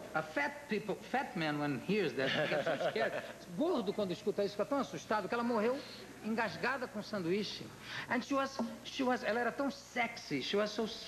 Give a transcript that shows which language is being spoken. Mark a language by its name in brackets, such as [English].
[English] A fat man, when he hears that, gets so scared. [Portuguese] Gordo, quando escuta isso, fica tão assustado, que ela morreu engasgada com um sanduíche. [English] And she was, [Portuguese] ela era tão sexy, [English] she was so...